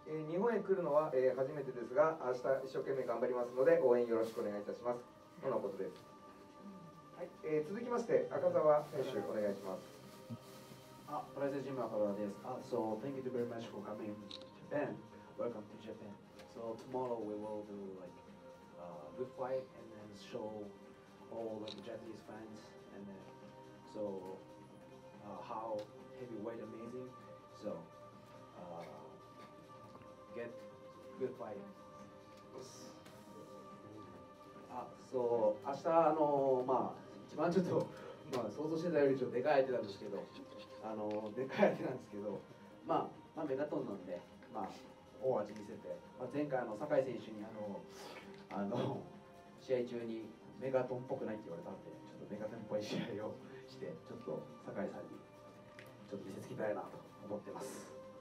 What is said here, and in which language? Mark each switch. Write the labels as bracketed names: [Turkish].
[Japanese] 日本へ来るのは初めてですが、明日一生懸命頑張りますので応援よろしくお願いいたします、とのことです。はい、続きまして赤沢選手お願いします。あ、プライゼジム赤沢です。 [English] あ、so thank you very much for coming to Japan. Welcome to Japan. So tomorrow we will do like a good fight and then show all the Japanese fans and then so how heavyweight amazing. So get good fight. [Japanese] あ、そう、明日まあ一番ちょっとまあ想像してたよりちょっとでかい相手なんですけど、でかい相手なんですけど、まあメガトンなんで、まあ大味見せて、まあ、前回酒井選手に試合中にメガトンっぽくないって言われたんで、ちょっとメガトンっぽい試合をしてちょっと酒井さんにちょっと見せつけたいなと思ってます。